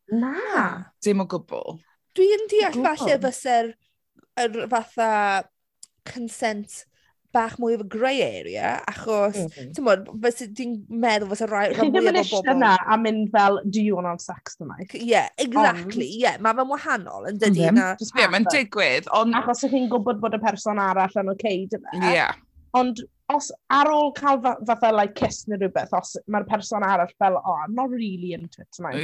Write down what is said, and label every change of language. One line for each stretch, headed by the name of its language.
Welsh: Na. Dim o gwbl. Dwi'n deall falle fysa'r fatha consent bach mwy
English: of a grey area,
Welsh: achos, ti'n modd, fysa di'n meddwl fysa rhai mwy o bobl. Chi ddim yn eisiau yna a mynd fel,
English: do you want to have sex tonight? Yeah, exactly. On.
Welsh: Yeah, mae fe'n wahanol yn dydi yna. Ie, mae'n digwydd. Achos ych chi'n gwybod bod y person arall yn okay, dyna.
English: Yeah.
Welsh: Ond os ar ôl cael fatha like kiss neu rhywbeth, os mae'r person arall fel,
English: oh, I'm not really into it tonight.